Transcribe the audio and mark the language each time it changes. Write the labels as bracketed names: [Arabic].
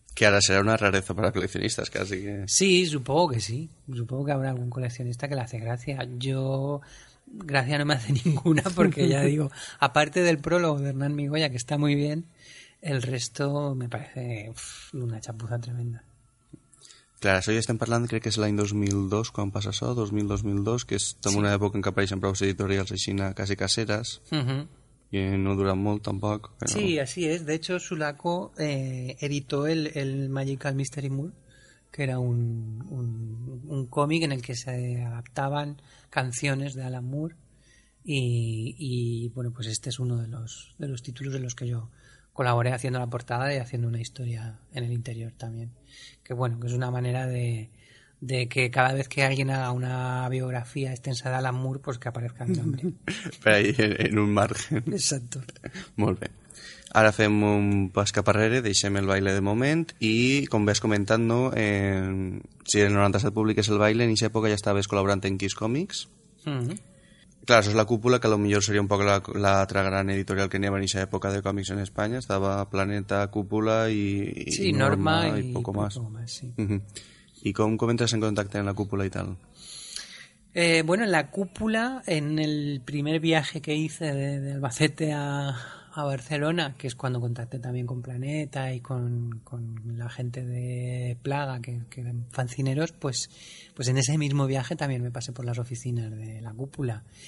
[Spanish] Que ahora será una rareza para coleccionistas casi. Que... Sí, supongo que sí. Supongo que habrá algún coleccionista que le hace gracia. Yo, gracia no me hace ninguna porque ya digo, aparte del prólogo de Hernán Migoya, que está muy bien, el resto me parece una chapuza tremenda. Claro, eso ya [Catalan] estem parlant, crec que és l'any 2002, quan passa això, 2002, que és en sí. Una època en què apareixen prou editorials així, quasi caseres. Uh-huh. [Spanish] Y no duran mucho tampoco. Pero... Sí, así es. De hecho, Sulaco editó el Magical Mystery Moon, que era un cómic en el que se adaptaban canciones de Alan Moore. Y bueno, pues este es uno de los títulos en los que yo colaboré haciendo la portada y haciendo una historia en el interior también. Que bueno, que es una manera de que cada vez que alguien haga una biografía extensa de Alan Moore, pues que aparezca el nombre. Pero ahí, en un margen. Exacto. [Catalan] Molt bé. Ara fem un pas cap arrere, deixem el baile de moment, i com ves comentant, no, si el 97 publiques el baile, en aquella època ja estaves col·laborant en Kiss Comics. Mm-hmm. Clar, això és la cúpula, que potser seria un poc l'altra gran editorial que n'hi havia en aquella època de còmics en Espanya. Estava Planeta, Cúpula i Norma [Spanish] i poco más. Poco más, sí. ¿Y cómo entras en contacto en la cúpula y tal? Bueno, en la cúpula, en el primer viaje que hice de Albacete a Barcelona, que es cuando contacté también con Planeta y con la gente de Plaga, que eran fancineros, pues en ese mismo viaje también me pasé por las oficinas de la cúpula.